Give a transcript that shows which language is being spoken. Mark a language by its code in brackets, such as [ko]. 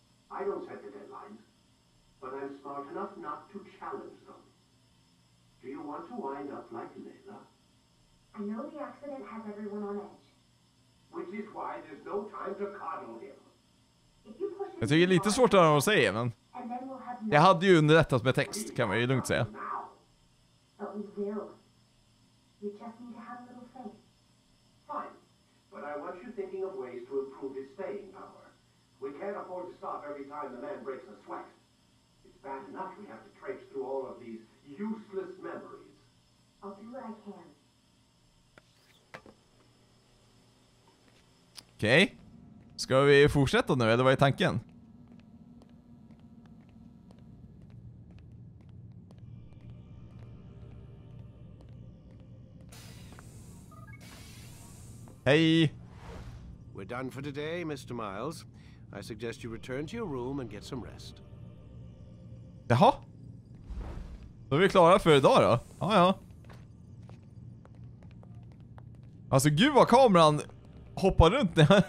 [en] I don't set the deadlines, but I'm smart enough not to challenge them. Do you want to wind up like Layla? I know the accident has everyone on edge. Which is why there's no time to coddle him. [sv] Jag tycker det är lite svårt att höra vad de säger, men jag hade ju underrättat med text, kan man ju lugnt säga. [en] But we will. You just need to have a little faith. Fine, but I want you thinking of ways to improve his staying power. We can't afford to stop every time the man breaks a sweat. It's bad enough we have to traipse through all of these useless memories. I'll do what I can. Okay. [sv] Ska vi fortsätta nu, eller vad är tanken? Hej! [en] We're done for today, Mr. Miles. I suggest you return to your room and get some rest. [sv] Jaha. Då är vi klara för idag då. Ah, ja. Alltså gud vad kameran hoppar runt nu.